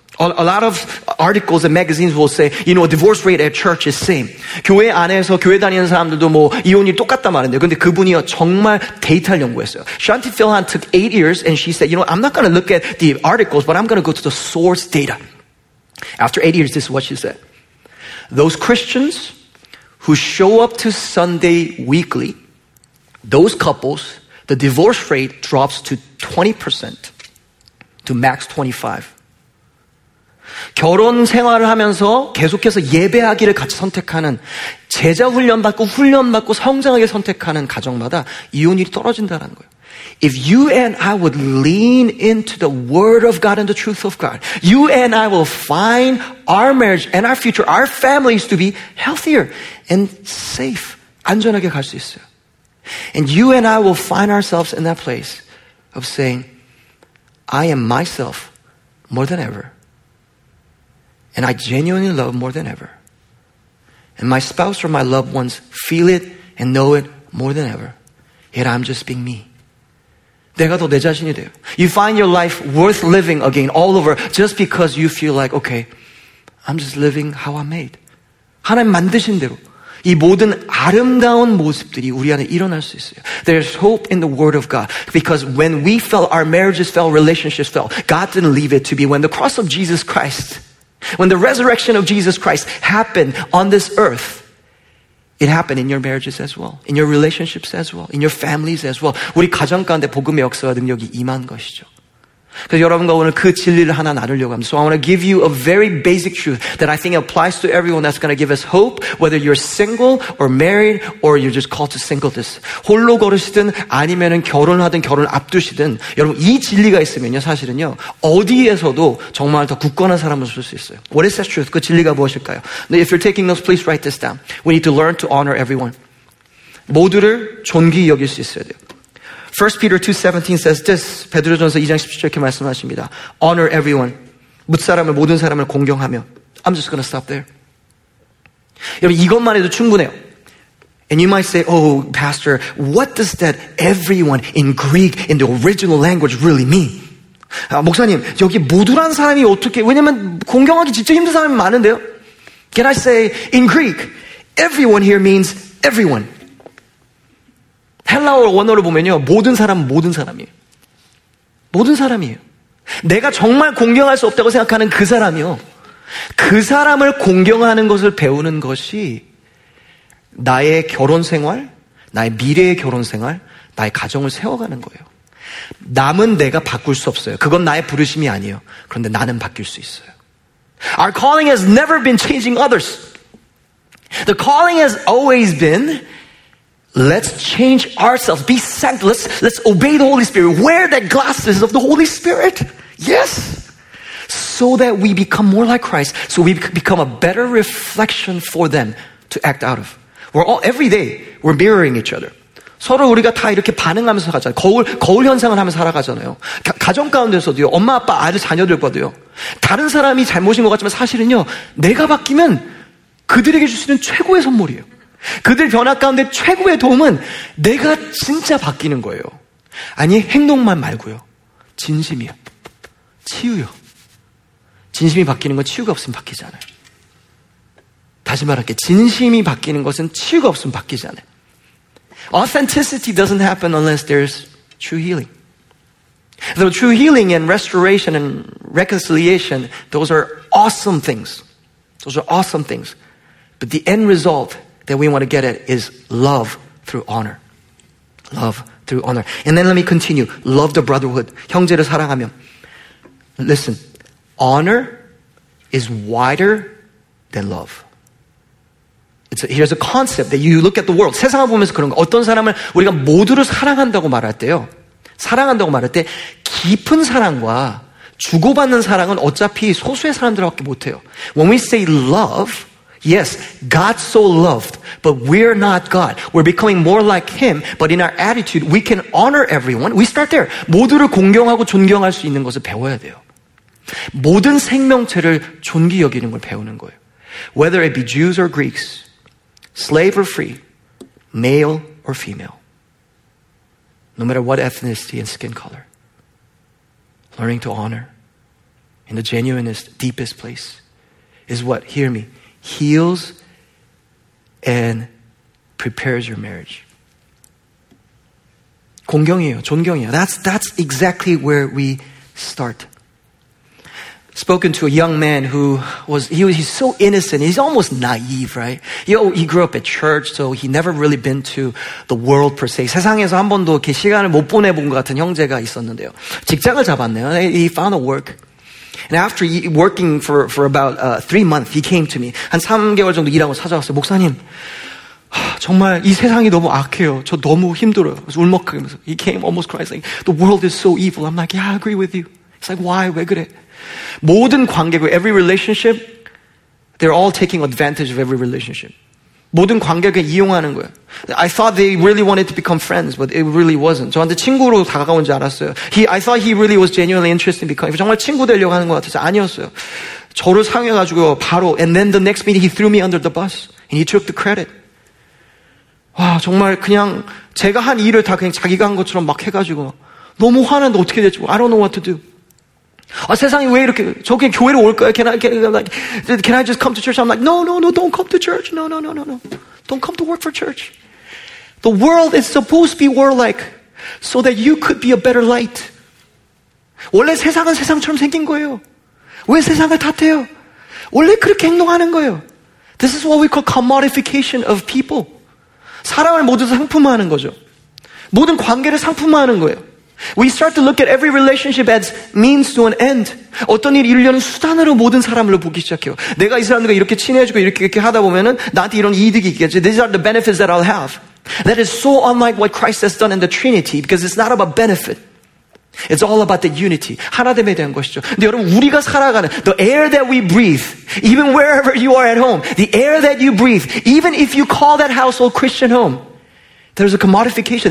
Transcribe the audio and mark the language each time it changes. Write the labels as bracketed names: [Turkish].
[English] A lot of articles and magazines will say, you know, divorce rate at church is same. [Korean] 교회 안에서 교회 다니는 사람들도 뭐 이혼이 똑같다 말인데, 근데 그분이요 정말 데이터를 연구했어요. [English] Shanti Philhan took 8 years and she said, you know, I'm not going to look at the articles, but I'm going to go to the source data. After 8 years, this is what she said. Those Christians who show up to Sunday weekly, those couples, the divorce rate drops to 20% to max 25%. [Korean] 결혼 생활을 하면서 계속해서 예배하기를 같이 선택하는 제자 훈련 받고 성장하게 선택하는 가정마다 이혼율이 떨어진다는 거예요. [English] If you and I would lean into the word of God and the truth of God, you and I will find our marriage and our future, our families to be healthier and safe. [Korean] 안전하게 갈 수 있어요. [English] And you and I will find ourselves in that place of saying, I am myself more than ever. And I genuinely love more than ever. And my spouse or my loved ones feel it and know it more than ever. Yet I'm just being me. [Korean] 내가 더 내 자신이 돼요. [English] You find your life worth living again all over just because you feel like, okay, I'm just living how I'm made. [Korean] 하나님 만드신 대로 이 모든 아름다운 모습들이 우리 안에 일어날 수 있어요. [English] There's hope in the word of God. Because when we fell, our marriages fell, relationships fell. God didn't leave it to be. When the cross of Jesus Christ, when the resurrection of Jesus Christ happened on this earth, it happened in your marriages as well, in your relationships as well, in your families as well. [Korean] 우리 가정 가운데 복음의 역사와 능력이 임한 것이죠. 그래서 여러분과 오늘 그 진리를 하나 나누려고 합니다. [English] So I want to give you a very basic truth that I think applies to everyone that's going to give us hope, whether you're single or married or you're just called to singleness. [Korean] 홀로 걸으시든 아니면은 결혼하든 결혼 앞두시든 여러분 이 진리가 있으면요 사실은요 어디에서도 정말 더 굳건한 사람을 쓸 수 있어요. [English] What is that truth? [Korean] 그 진리가 무엇일까요? [English] If you're taking notes, please write this down. We need to learn to honor everyone. [Korean] 모두를 존귀히 여길 수 있어야 돼요. [English] 1 Peter 2:17 says this. [Korean] 베드로전서 2장 17절 이렇게 말씀하십니다. [English] Honor everyone. [Korean] 뭇사람을 모든 사람을 공경하며. [English] I'm just going to stop there. [Korean] 여러분 이것만 해도 충분해요. [English] And you might say, oh, pastor, what does that everyone in Greek, in the original language really mean? [Korean] 아, 목사님, 여기 모두란 사람이 어떻게, 왜냐면 공경하기 진짜 힘든 사람이 많은데요. [English] Can I say, in Greek, everyone here means everyone. [Korean] 헬라어 원어를 보면요. 모든 사람 모든 사람이에요. 모든 사람이에요. 내가 정말 공경할 수 없다고 생각하는 그 사람이요. 그 사람을 공경하는 것을 배우는 것이 나의 결혼 생활, 나의 미래의 결혼 생활, 나의 가정을 세워가는 거예요. 남은 내가 바꿀 수 없어요. 그건 나의 부르심이 아니에요. 그런데 나는 바뀔 수 있어요. [English] Our calling has never been changing others. The calling has always been, let's change ourselves. Be sanctified. Let's obey the Holy Spirit. Wear the glasses of the Holy Spirit. Yes. So that we become more like Christ. So we become a better reflection for them to act out of. We're all, every day, we're mirroring each other. [Korean] 서로 우리가 다 이렇게 반응하면서 가잖아요. 거울 현상을 하면서 살아가잖아요. 가정 가운데서도요. 엄마, 아빠, 아들, 자녀들과도요. 다른 사람이 잘못인 것 같지만 사실은요. 내가 바뀌면 그들에게 줄 수 있는 최고의 선물이에요. 그들 변화 가운데 최고의 도움은 내가 진짜 바뀌는 거예요. 아니, 행동만 말고요. 진심이요. 치유요. 진심이 바뀌는 건 치유가 없으면 바뀌지 않아요. 다시 말할게. 진심이 바뀌는 것은 치유가 없으면 바뀌지 않아요. [English] Authenticity doesn't happen unless there's true healing. Though true healing and restoration and reconciliation, those are awesome things. Those are awesome things. But the end result that we want to get at is love through honor. Love through honor. And then let me continue. Love the brotherhood. [Korean] 형제를 사랑하며. [English] Listen, honor is wider than love. Here's a concept that you look at the world. [Korean] 세상을 보면서 그런 거. 어떤 사람을 우리가 모두를 사랑한다고 말할 때요. 사랑한다고 말할 때 깊은 사랑과 주고받는 사랑은 어차피 소수의 사람들밖에 못해요. [English] When we say love, yes, God so loved, but we're not God. We're becoming more like Him, but in our attitude, we can honor everyone. We start there. [Korean] 모두를 공경하고 존경할 수 있는 것을 배워야 돼요. 모든 생명체를 존귀 여기는 걸 배우는 거예요. [English] Whether it be Jews or Greeks, slave or free, male or female, no matter what ethnicity and skin color, learning to honor in the genuinest, deepest place is what, hear me, heals and prepares your marriage. [Korean] 공경이에요, 존경이에요. [English] That's exactly where we start. Spoken to a young man who was, he's so innocent. He's almost naive, right? He grew up at church, so he never really been to the world per se. [Korean] 세상에서 한 번도 이렇게 시간을 못 보내본 것 같은 형제가 있었는데요. 직장을 잡았네요. [English] He found a work. And after working for about 3 months, he came to me. [Korean] 한 3개월 정도 일하고 찾아왔어요. 목사님, 정말 이 세상이 너무 악해요. 저 너무 힘들어요. 그래서 울먹하면서. [English] He came almost crying, saying, the world is so evil. I'm like, yeah, I agree with you. It's like, why? [Korean] 왜 그래? 모든 관계고 [English] every relationship they're all taking advantage of every relationship. [Korean] 모든 관계가 이용하는 거예요. [English] I thought they really wanted to become friends but it really wasn't. [Korean] 저한테 친구로 다가온 줄 알았어요. [English] I thought he really was genuinely interested in becoming [Korean] 정말 친구 되려고 하는 것 같아서 아니었어요. 저를 상해 가지고 바로 [English] and then the next meeting he threw me under the bus and he took the credit. [Korean] 와, 정말 그냥 제가 한 일을 다 그냥 자기가 한 것처럼 막 해 가지고 너무 화나는데 어떻게 될지 [English] I don't know what to do. [Korean] 아, 세상이 왜 이렇게, 저 그냥 교회를 올 거야. [English] Can I just come to church? I'm like, no, no, no, don't come to church. No, no, no, no, no. Don't come to work for church. The world is supposed to be warlike so that you could be a better light. [Korean] 원래 세상은 세상처럼 생긴 거예요. 왜 세상을 탓해요? 원래 그렇게 행동하는 거예요. [English] This is what we call commodification of people. [Korean] 사람을 모두 상품화하는 거죠. 모든 관계를 상품화하는 거예요. [English] We start to look at every relationship as means to an end. [Korean] 어떤 일 이루려는 수단으로 모든 사람을 보기 시작해요. 내가 이 사람들과 이렇게 친해지고 이렇게 하다 보면은 나한테 이런 이득이 있겠지. [English] These are the benefits that I'll have. That is so unlike what Christ has done in the Trinity because it's not about benefit. It's all about the unity. [Korean] 하나됨에 대한 것이죠. 근데 여러분 우리가 살아가는 [English] the air that we breathe, even wherever you are at home, the air that you breathe, even if you call that household Christian home, there's a commodification.